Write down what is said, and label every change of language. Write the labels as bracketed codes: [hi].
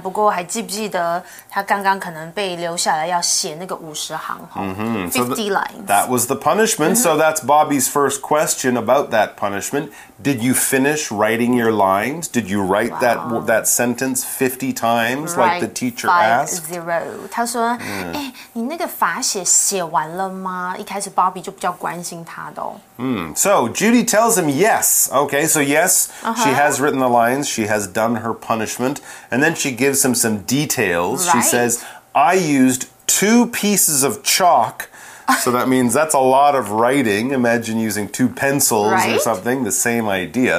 [zh] 不过还记不记得他刚刚可能被留下来要写那个五十行 [en] ？50 lines. That was the punishment. So that's Bobby's first question about that punishment. Did you finish writing your lines? Did you write that sentence 50 times like the teacher asked? 50. [zh] 他说你那个罚写写完了吗？一开始 Bobby 就比较关心他的 [en] So Judy tells him yes. Okay, so yes, she has written the lines. She has done her punishment. And then she gives him some details. Right. She says, I used 2 pieces of chalk. So that means that's a lot of writing. Imagine using 2 pencils or something. The same idea.